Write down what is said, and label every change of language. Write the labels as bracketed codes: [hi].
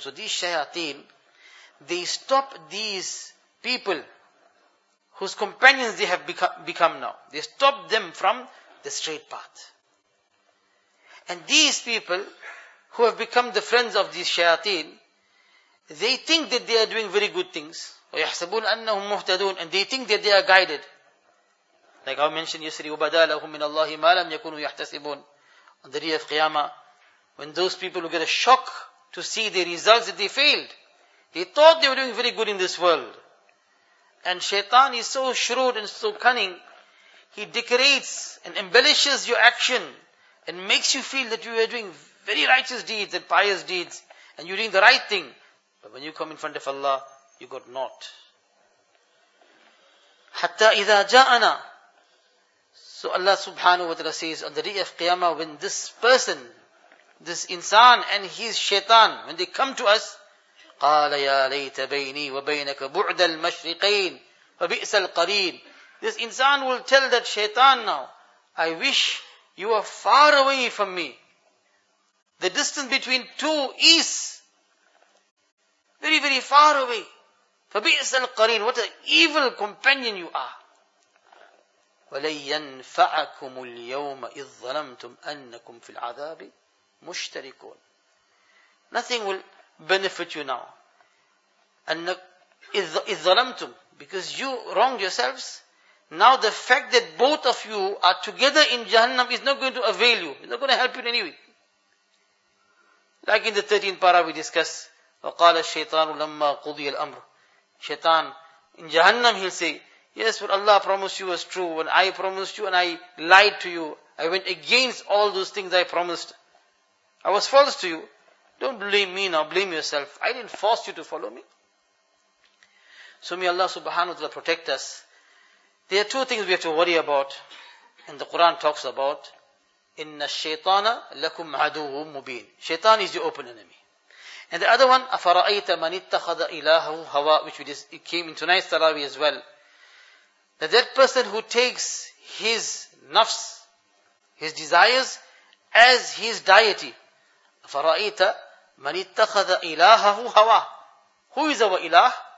[en] So these shayateen, they stop these people whose companions they have become now. They stop them from the straight path. And these people who have become the friends of these shayateen, they think that they are doing very good things. [ar] وَيَحْسَبُونَ أَنَّهُمْ مُهْتَدُونَ. [en] And they think that they are guided. Like I mentioned yesterday, [ar] وَبَدَى لَهُمْ مِنَ اللَّهِ مَا لَمْ يَكُونُوا يَحْتَسِبُونَ. [en] On the day of Qiyamah, when those people will get a shock to see the results that they failed. They thought they were doing very good in this world. And Shaitan is so shrewd and so cunning, he decorates and embellishes your action and makes you feel that you are doing very righteous deeds and pious deeds and you're doing the right thing. But when you come in front of Allah, you got naught. [ar] Hatta idha ja'ana. [en] So Allah subhanahu wa ta'ala says, on the day of Qiyamah, when this person, this insan and his shaitan, when they come to us, [ar] قَالَ يَا لَيْتَ بَيْنِي وَبَيْنَكَ بُعْدَ الْمَشْرِقَيْنِ فَبِئْسَ الْقَرِينِ [en] This insan will tell that shaitan now, I wish you are far away from me. The distance between two east, very, very far away. [ar] فَبِئْسَ الْقَرِينِ [en] What an evil companion you are. [ar] وَلَنْ يَنْفَعَكُمُ الْيَوْمَ إِذْ ظَلَمْتُمْ أَنَّكُمْ فِي الْعَذَابِ مُشْتَرِكُونَ [en] Nothing will benefit you now. [ar] إِذْ ظَلَمْتُمْ [en] Because you wronged yourselves. Now the fact that both of you are together in Jahannam is not going to avail you. It's not going to help you in any way. Like in the 13th para we discuss, [ar] وَقَالَ الشَّيْطَانُ لَمَّا قُضِيَ الْأَمْرُ [en] Shaitan, in Jahannam he'll say, Yes, what Allah promised you was true, and I promised you and I lied to you. I went against all those things I promised. I was false to you. Don't blame me now, blame yourself. I didn't force you to follow me. So may Allah subhanahu wa ta'ala protect us. There are two things we have to worry about, and the Quran talks about. [ar] Inna shaytana lakum aduhu mubeen. [en] Shaitan is your open enemy. And the other one, [ar] afara'aita man ittakhadha ilahahu hawa, [en] which it came in tonight's tarawih as well. That person who takes his nafs, his desires, as his deity. [ar] فَرَأَيْتَ مَنِ اتَّخَذَ إِلَاهَهُ هَوَى [en] Who is our ilah?